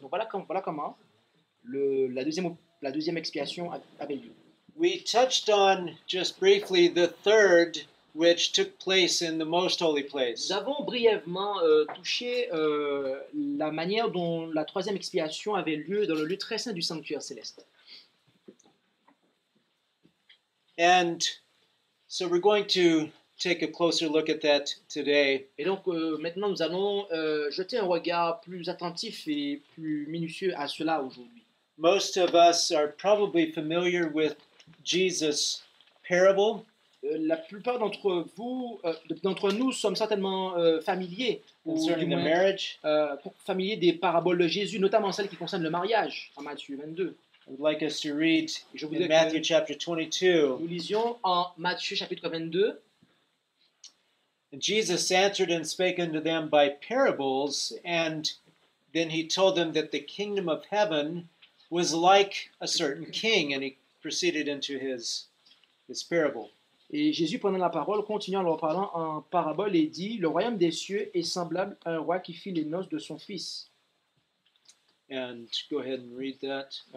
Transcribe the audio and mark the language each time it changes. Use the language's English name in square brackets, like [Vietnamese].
[French] Donc voilà comment la deuxième expiation avait lieu. [English] We touched on just briefly the third, which took place in the most holy place. [French] Nous avons brièvement touché la manière dont la troisième expiation avait lieu dans le lieu très saint du sanctuaire céleste. [English] And so we're going to take a closer look at that today. [French] Et donc maintenant nous allons jeter un regard plus attentif et plus minutieux à cela aujourd'hui. [English] Most of us are probably familiar with Jesus' parable. [French] La plupart d'entre nous sommes certainement familiers ou [English] concerning [French] du moins familiers des paraboles de Jésus, notamment celles qui concernent le mariage en Matthieu 22. [English] I would like us to read in Matthew chapter 22. [French] Nous lisions en Matthieu chapitre 22. [English] And Jesus answered and spake unto them by parables, and then he told them that the kingdom of heaven was like a certain king, and he proceeded into his parable. [French] Et Jésus prenant la parole, continuant en leur parlant en parabole, et dit, le royaume des cieux est semblable à un roi qui fit les noces de son fils. [English] And go ahead and read that.